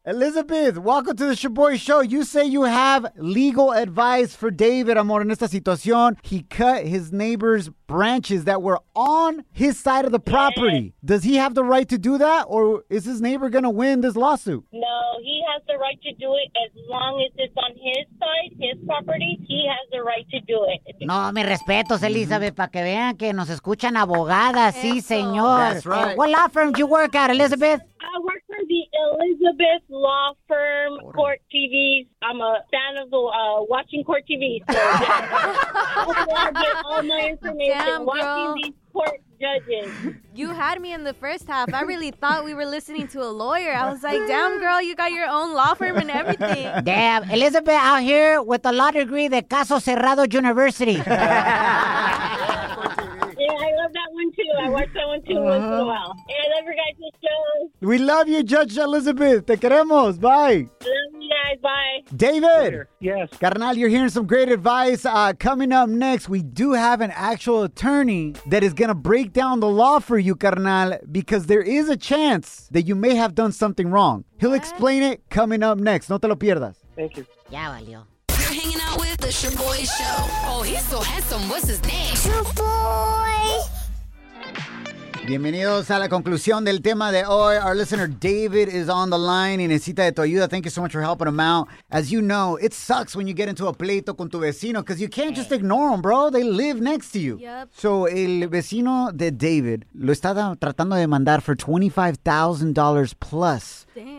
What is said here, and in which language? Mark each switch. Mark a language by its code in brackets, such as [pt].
[en] Elizabeth, welcome to the Shaboy Show. You say you have legal advice for David, [es] amor, en esta situación. [en] He cut his neighbor's branches that were on his side of the property. Does he have the right to do that, or is his neighbor going to win this lawsuit? No, he has the right to do it as long as it's on his side, his property. He has the right to do it. [es] No, mi respetos, Elizabeth, para que vean que nos escuchan abogadas. Sí, señor. [en] That's right. What law firm do you work at, Elizabeth? I work for the Elizabeth Law Firm, Court TV. I'm a fan of the watching Court TV. So I get all my information. Damn, watching girl. These court judges. You had me in the first half. I really thought we were listening to a lawyer. I was like, damn, girl, you got your own law firm and everything. Damn, Elizabeth out here with a law degree at Caso Cerrado University. I watch that one too. We love you, Judge Elizabeth. [es] Te queremos. [en] Bye. Love you guys. Bye. David. Later. Yes. Carnal, you're hearing some great advice. Coming up next, we do have an actual attorney that is going to break down the law for you, carnal, because there is a chance that you may have done something wrong. What? He'll explain it coming up next. [es] No te lo pierdas. [en] Thank you. [es] Ya valió. [en] Hanging out with the Shaboy Show. Oh, he's so handsome. What's his name? Shaboy. [es] Bienvenidos a la conclusión del tema de hoy. [en] Our listener David is on the line [es] y necesita de tu ayuda. [en] Thank you so much for helping him out. As you know, it sucks when you get into a [es] pleito con tu vecino [en] because you can't just ignore them, bro. They live next to you. Yep. [es] So el vecino de David lo está tratando de demandar [en] for $25,000 plus. Damn.